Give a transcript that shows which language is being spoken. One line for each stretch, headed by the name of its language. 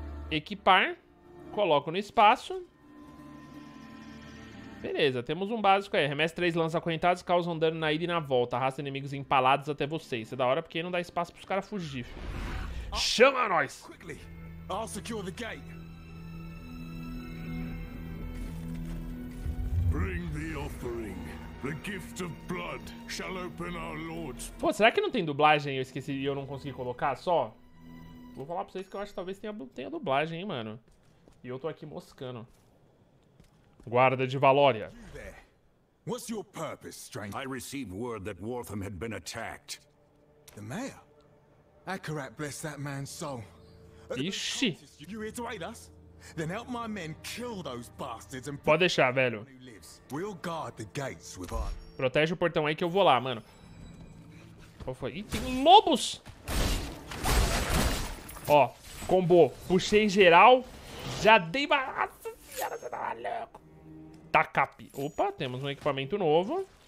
Portuguese: Equipar, coloco no espaço. Beleza, temos um básico aí. Arremesse três lanças acorrentadas, causam dano na ida e na volta. Arrasta inimigos empalados até vocês. Isso é da hora porque aí não dá espaço pros caras fugir. Chama nós!
English: Quickly, I'll secure the gate. Bring the offering. The gift of blood shall open our lords.
Portuguese: Pô, será que não tem dublagem? Eu esqueci e eu não consegui colocar só? Vou falar pra vocês que eu acho que talvez tenha dublagem, hein, mano. E eu tô aqui moscando. Guarda de Valória.
English: What's your purpose, stranger? I received word that Wortham had been attacked. The mayor? Akarat bless that man's soul.
Portuguese: Ixi.
English: You here to aid us? Then help my men kill those bastards and
Portuguese: pode deixar, velho.
English: We'll guard the gates with our...
Portuguese: Protege o portão aí que eu vou lá, mano. Qual foi? Ih, tem lobos! Ó, combo. Puxei em geral. Já dei uma... Nossa senhora, você tá maluco. Tacap. Opa, temos um equipamento novo.